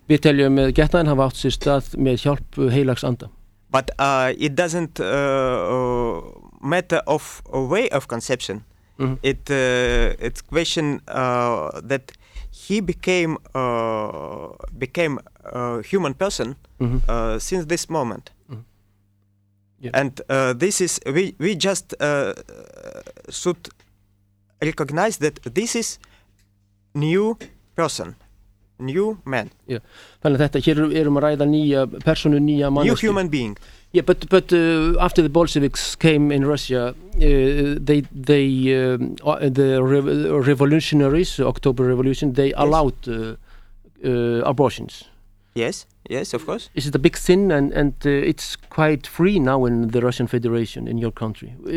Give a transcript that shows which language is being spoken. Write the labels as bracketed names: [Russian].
[Icelandic] Við teljum að getnaðin hafi átt sér stað með hjálp heilags anda. [English] But it doesn't matter of a way of conception. Mm-hmm. It it's question that he became became a human person since this moment. Yeah. And this is we just should recognize that this is new person, new man. Yeah. [Icelandic] Þannig að þetta hér erum að ræða nýja persónu, nýja manneskju. [English] New human being. Yeah, but after the Bolsheviks came in Russia, the revolutionaries, October Revolution, they allowed abortions. Yes. Yes, of course. Is it a big sin and it's quite free now in the Russian Federation in your country?